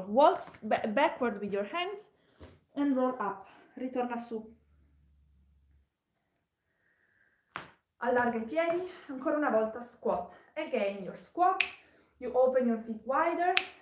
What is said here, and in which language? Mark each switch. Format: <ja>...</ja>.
<en>Walk backward with your hands and roll up.</en> <it>Ritorna su. Allarga i piedi, ancora una volta squat.</it> <en>Again, your squat, you open your feet wider.</en>